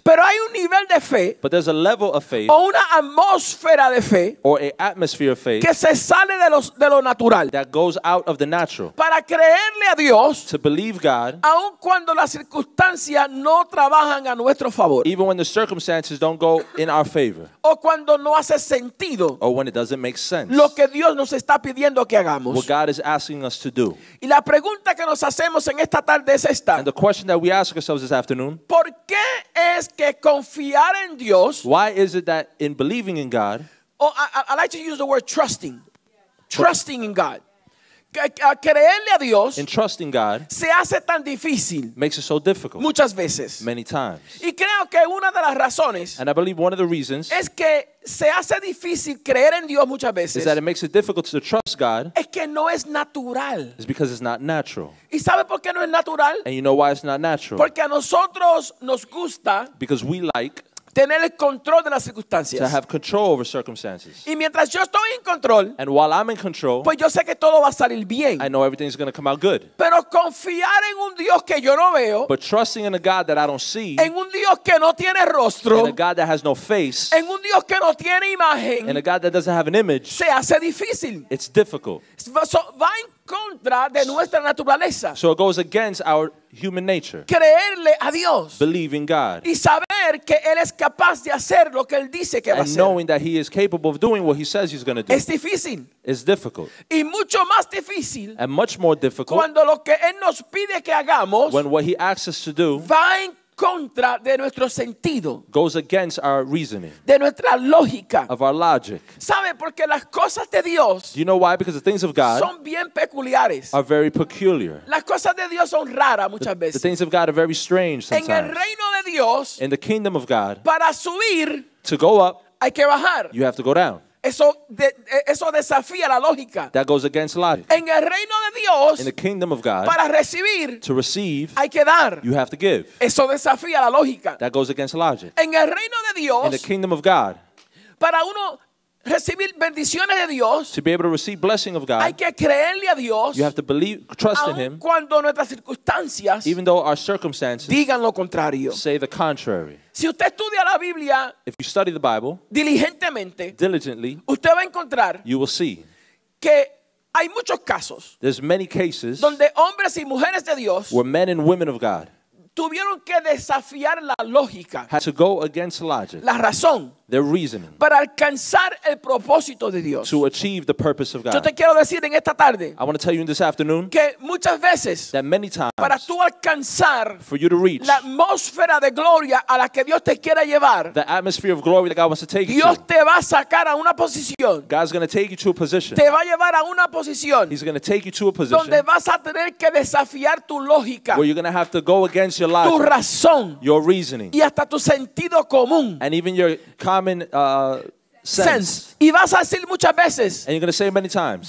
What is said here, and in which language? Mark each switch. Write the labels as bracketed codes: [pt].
[es] Pero hay un nivel de fe. [en] But there's a level of faith. [es] O una atmósfera de fe. [en] Or an atmosphere of faith. [es] Que se sale de lo natural. [en] That goes out of the natural. [es] Para creerle a Dios. [en] To believe God. [es] Aun cuando las circunstancias no trabajan a nuestro favor. [en] Even when the circumstances don't go in our favor. [es] O cuando no hace sentido. [en] Or when it doesn't make sense. [es] Lo que Dios nos está pidiendo que hagamos. [en] What God is asking us to do. [es] Y la pregunta que nos hacemos en esta tarde. [en] And the question that we ask ourselves this afternoon, [es] ¿por qué es que confiar en Dios, [en] why is it that in believing in God, I like to use the word trusting, trusting in God, [es] creerle a Dios, [en] in trusting God, [es] se hace tan difícil, [en] makes it so difficult, [es] muchas veces, [en] many times. [es] Y creo que una de las razones, [en] and I believe one of the reasons, [es] es que se hace difícil creer en Dios muchas veces. [en] Is that it makes it difficult to trust God. [es] Es que no es natural. [en] It's because it's not natural. [es] ¿Y sabe por qué no es natural? [en] And you know why it's not natural. [es] Porque a nosotros nos gusta. [en] Because we like. [es] Tener el control de las circunstancias. [en] To have control over circumstances. [es] Y mientras yo estoy en control. [en] And while I'm in control. [es] Pues yo sé que todo va a salir bien. [en] I know everything's going to come out good. [es] Pero confiar en un Dios que yo no veo. [en] But trusting in a God that I don't see. [es] En un Dios que no tiene rostro. [en] In a God that has no face. [es] En un Dios que no tiene imagen. [en] In a God that doesn't have an image. [es] Se hace difícil. [en] It's difficult. [es] So, va en contra de nuestra naturaleza. [en] So it goes against our human nature. [es] Creerle a Dios. [en] Believing God. [es] Y saber. saber que él es capaz de hacer lo que él dice que va a hacer. [en] And knowing that he is capable of doing what he says he's going to do. [es] Es difícil. [en] It's difficult. [es] Y mucho más difícil. [en] And much more difficult. [es] Cuando lo que él nos pide que hagamos. [en] When what he asks us to do. [es] Va en contra de nuestro sentido. [en] Goes against our reasoning. [es] De nuestra lógica. [en] Of our logic. [es] ¿Sabe? Porque las cosas de Dios. [en] Do you know why? Because the things of God. [es] Son bien peculiares. [en] Are very peculiar. [es] Las cosas de Dios son raras muchas veces. [en] The things of God are very strange sometimes. [es] En el reino de Dios. [en] In the kingdom of God. [es] Para subir. [en] To go up. [es] Hay que bajar. [en] You have to go down. [es] Eso desafía la lógica. [en] That goes against logic. [es] En el reino de Dios. [en] In the kingdom of God. [es] Para recibir. [en] To receive. [es] Hay que dar. [en] You have to give. [es] Eso desafía la lógica. [en] That goes against logic. [es] En el reino de Dios. [en] In the kingdom of God. [es] Para uno recibir bendiciones de Dios. [en] To be able to receive blessing of God. [es] Hay que creerle a Dios. [en] You have to believe, trust in Him. [es] Cuando nuestras circunstancias. [en] Even though our circumstances. [es] Digan lo contrario. [en] Say the contrary. [es] Si usted estudia la Biblia. [en] If you study the Bible. [es] Diligentemente. [en] Diligently. [es] Usted va a encontrar. [en] You will see. [es] Que hay muchos casos. [en] There's many cases. [es] Donde hombres y mujeres de Dios. [en] Where men and women of God. [es] Tuvieron que desafiar la lógica. [en] Had to go against logic. [es] La razón. [en] Their reasoning. [es] Para alcanzar el propósito de Dios. [en] To achieve the purpose of God. [es] Yo te quiero decir en esta tarde. [en] I want to tell you in this afternoon. [es] Que muchas veces. [en] That many times. [es] Para tú alcanzar. [en] For you to reach. [es] La atmósfera de gloria a la que Dios te quiera llevar. [en] The atmosphere of glory that God wants to take [es] Dios [en] you to. [es] Dios te va a sacar a una posición. [en] God's going to take you to a position. [es] Te va a llevar a una posición. [en] He's going to take you to a position. [es] Donde vas a tener que desafiar tu lógica. [en] Where you're going to have to go against your logic. [es] Tu razón. [en] Your reasoning. [es] Y hasta tu sentido común. [en] And even your common sense. [es] Y vas a decir muchas veces, [en] and you're going to say it many times.